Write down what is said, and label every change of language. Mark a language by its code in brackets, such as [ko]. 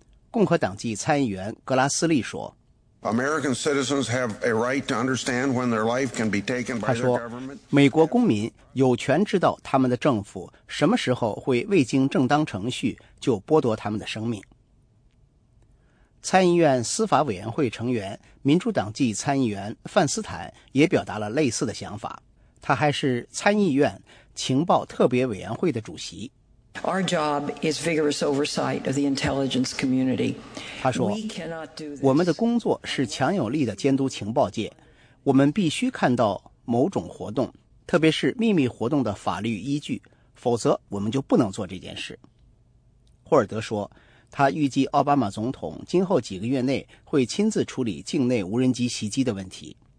[zh] 共和党籍参议员格拉斯利说，他说，美国公民有权知道他们的政府什么时候会未经正当程序就剥夺他们的生命。参议院司法委员会成员、民主党籍参议员范斯坦也表达了类似的想法。他还是参议院情报特别委员会的主席。 [en] Our job is vigorous oversight of the intelligence community. [zh] 他说，我们的工作是强有力的监督情报界。我们必须看到某种活动，特别是秘密活动的法律依据，否则我们就不能做这件事。霍尔德说，他预计奥巴马总统今后几个月内会亲自处理境内无人机袭击的问题。